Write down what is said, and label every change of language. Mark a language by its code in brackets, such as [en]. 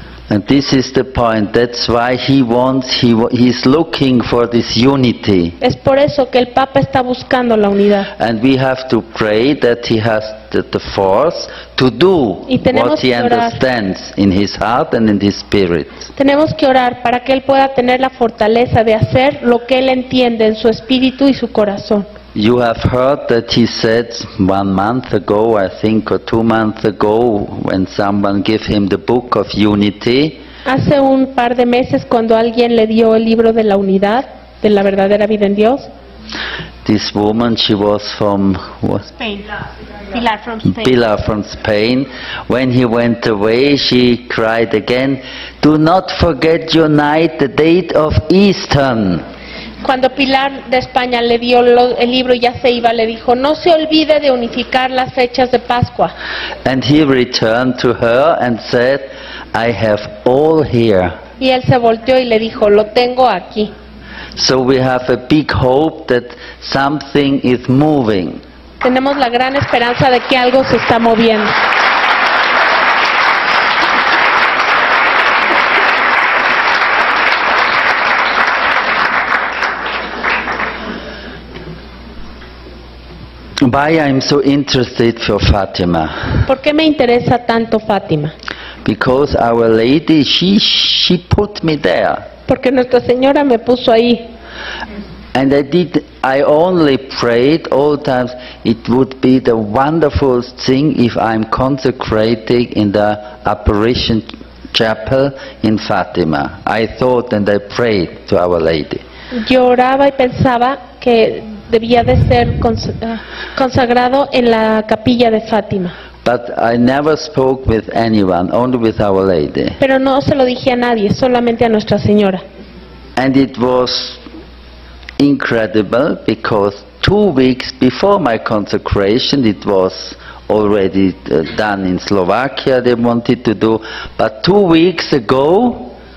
[en] And this is the point. That's why he's looking for this unity. [es] Es por eso que el Papa está buscando la unidad. [en] And we have to pray that he has the force to do what he understands in his heart and in his spirit. [es] Tenemos que orar para que él pueda tener la fortaleza de hacer lo que él entiende en su espíritu y su corazón. [en] You have heard that he said 1 month ago, I think, or 2 months ago, when someone gave him the book of unity. [es] Hace un par de meses cuando alguien le dio el libro de la unidad, de la verdadera vida en Dios. [en] This woman, she was from what? Spain. Pilar from Spain. Pilar from Spain. When he went away, she cried again, "Do not forget to unite the date of Easter." [es] Cuando Pilar de España le dio el libro y ya se iba, le dijo, no se olvide de unificar las fechas de Pascua. [en] And he returned to her and said, I have all here. [es] Y él se volteó y le dijo, lo tengo aquí. [en] So we have a big hope that something is moving. [es] Tenemos la gran esperanza de que algo se está moviendo. [en] Why I'm so interested for Fatima? [es] ¿Por qué me interesa tanto Fátima? [en] Because Our Lady, she put me there. [es] Porque Nuestra Señora me puso ahí. [en] And I only prayed all times, it would be the wonderful thing if I'm consecrated in the apparition chapel in Fátima. I thought and I prayed to Our Lady. [es] Yo oraba y pensaba que debía de ser consagrado en la capilla de Fátima. [en] But I never spoke with anyone, only with Our Lady. [es] Pero no se lo dije a nadie, solamente a Nuestra Señora. [en] And it was incredible because 2 weeks before my consecration, it was already done in Slovakia, they wanted to do, but 2 weeks ago,